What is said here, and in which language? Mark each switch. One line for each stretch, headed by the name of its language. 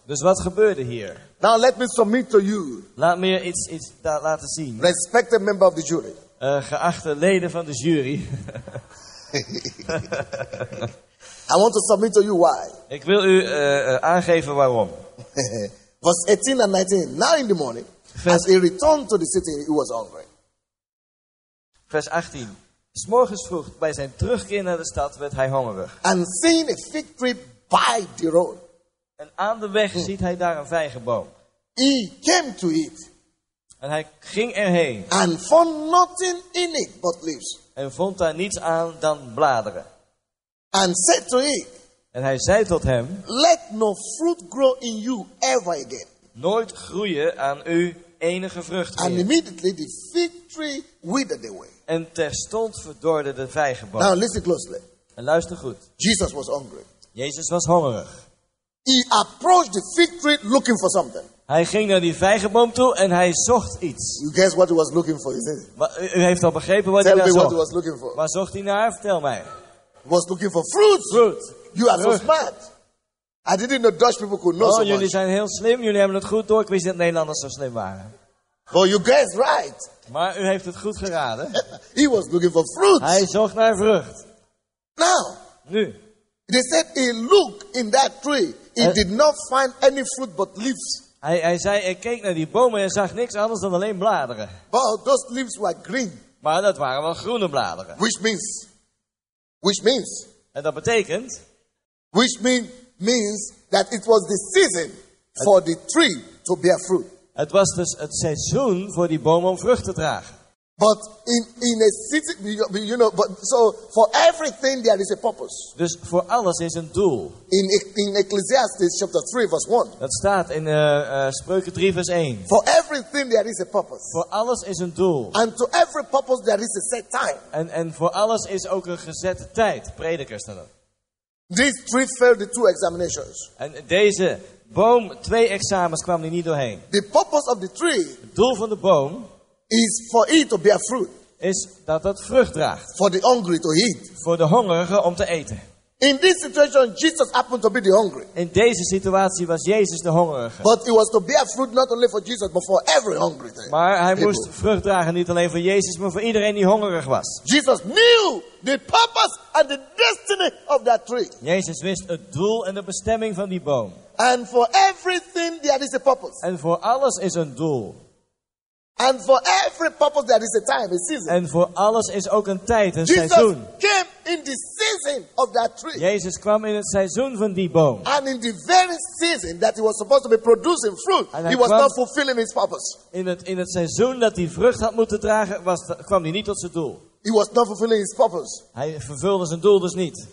Dutch: Dus wat gebeurde hier?
English: Now let me submit to you.
Dutch: Laat me iets laten zien.
English: Respected member of the jury.
Dutch: Geachte leden van de jury.
English: I want to submit to you why.
Dutch: Ik wil u aangeven waarom.
English: Verse 18 and 19. Now in the morning, as he returned to the city, he was hungry.
Dutch: Vers 18. 'S morgens vroeg bij zijn terugkeer naar de stad werd hij hongerig.
English: And seeing a fig tree by the road.
Dutch: En aan de weg ziet hij daar een vijgenboom.
English: He came to it.
Dutch: En hij ging erheen.
English: And found nothing in it but leaves.
Dutch: En vond daar niets aan dan bladeren.
English: And said to it.
Dutch: En hij zei tot hem.
English: Let no fruit grow in you ever again.
Dutch: Nooit groeien aan u enige vrucht meer.
English: And immediately the fig tree withered away.
Dutch: En terstond verdorde de vijgenboom.
English: Now listen closely.
Dutch: En luister goed.
English: Jesus was hungry.
Dutch: Jezus was hongerig.
English: He approached the fig tree looking for something.
Dutch: Hij ging naar die vijgenboom toe en hij zocht iets.
English: You guess what he was looking for, isn't it?
Dutch: Maar u heeft al begrepen wat
English: Tell
Dutch: hij daar zocht.
English: What he was looking for.
Dutch: Waar zocht hij naar? Vertel mij.
English: He was looking for fruits.
Dutch: Fruit.
English: You are fruit. So smart. I didn't know Dutch people could know so much.
Dutch: Oh, jullie zijn heel slim. Jullie hebben het goed door. Ik wist dat Nederlanders zo slim waren.
English: Well, you guess right.
Dutch: Maar u heeft het goed geraden.
English: He was looking for fruits.
Dutch: Hij zocht naar vrucht.
English: Now.
Dutch: Nu.
English: They said he looked in that tree. He did not find any fruit but leaves.
Dutch: Hij zei, ik keek naar die bomen en zag niks anders dan alleen bladeren.
English: But those leaves were green.
Dutch: Maar dat waren wel groene bladeren.
English: Which means.
Dutch: En dat betekent.
English: Which means that it was the season for the tree to bear fruit.
Dutch: Het was dus het seizoen voor die boom om vrucht te dragen.
English: But in a city, you know, but so for everything there is a purpose.
Dutch: Dus voor alles is een doel.
English: In Ecclesiastes chapter 3 verse 1.
Dutch: Dat staat in Spreuken 3 vers 1.
English: For everything there is a purpose.
Dutch: Voor alles is een doel.
English: And to every purpose there is a set time.
Dutch: En voor alles is ook een gezette tijd. Prediker staat dat.
English: These three failed the two examinations.
Dutch: En deze boom, twee examens kwam die niet doorheen.
English: The purpose of the tree.
Dutch: Het doel van de boom.
English: Is for it to bear fruit.
Dutch: Is dat het vrucht draagt.
English: For the hungry to eat.
Dutch: Voor de hongerige om te eten.
English: In this situation, Jesus happened to be the hungry.
Dutch: In deze situatie was Jezus de hongerige.
English: But he was to bear fruit not only for Jesus, but for every hungry.
Dutch: Maar hij moest vrucht dragen niet alleen voor Jezus, maar voor iedereen die hongerig was.
English: Jesus knew the purpose and the destiny of that tree.
Dutch: Jezus wist het doel en de bestemming van die boom.
English: And for everything there is a purpose.
Dutch: En voor alles is een doel.
English: And for every purpose there is a time, a season.
Dutch: En voor alles is ook een tijd, een
English: Jesus
Dutch: seizoen.
English: Came in the season of that tree.
Dutch: Jezus kwam in het seizoen van die boom.
English: And in the very season that he was supposed to be producing fruit, he was not fulfilling his purpose.
Dutch: In het seizoen dat hij vrucht had moeten dragen, kwam hij niet tot zijn doel.
English: He was not fulfilling his purpose.
Dutch: Hij vervulde zijn doel dus niet.